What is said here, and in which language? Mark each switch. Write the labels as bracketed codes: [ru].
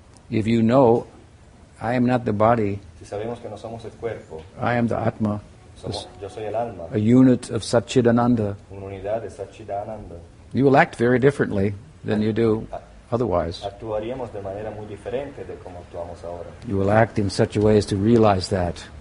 [en] If you know, I am not the body. [es] Si sabemos que no somos el cuerpo. [en] I am the Atma. [es] Yo soy el alma. [en] A unit of Satchidananda. [es] Una unidad de Satchidananda. [en] You will act very differently than you do otherwise. [es] Actuaríamos de manera muy diferente de como actuamos ahora. [en] You will act in such a way as to realize that,